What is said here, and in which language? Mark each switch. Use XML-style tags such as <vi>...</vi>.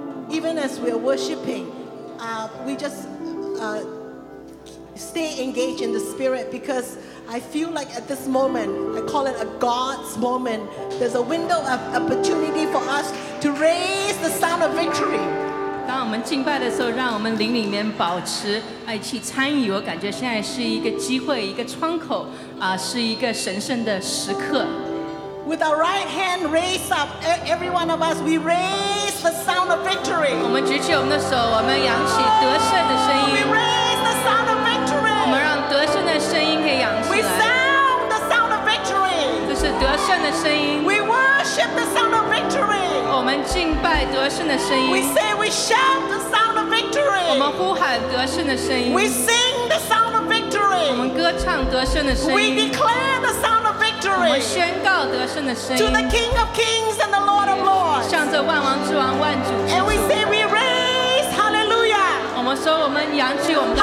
<en>even as we are worshiping, we just stay engaged in the Spirit, because I feel like at this moment, I call it a God's moment, there's a window of opportunity for us to raise the sound of victory.</en> <zh>当我们敬拜的时候，让我们灵里面保持爱去参与。我感觉现在是一个机会，一个窗口，是一个神圣的时刻。</zh> <en>With our right hand raised up, every one of us, we raise the sound of victory.</en> <zh>我们举起我们的手，我们扬起得胜的声音。</zh> <en>We raise the sound of victory.</en> <zh>我们让得胜的声音可以扬起来。</zh> <en>We sound the sound of victory.</en> <zh>这是得胜的声音。</zh> <en>We worship the sound of victory.</en> <zh>我们敬拜得胜的声音。</zh> <en>We say we shout the sound of victory.</en> <zh>我们呼喊得胜的声音。</zh> <en>We sing the sound of victory.</en> <zh>我们歌唱得胜的声音。</zh> <en>We declare the sound of victory.</en> <zh>我们宣告得胜的声音。</zh> <en>To the King of Kings and the Lord of Lords.</en> <zh>向着万王之王万主之主。</zh> <en>And we say we raise hallelujah.</en> <zh>我们说我们扬起我们的</zh>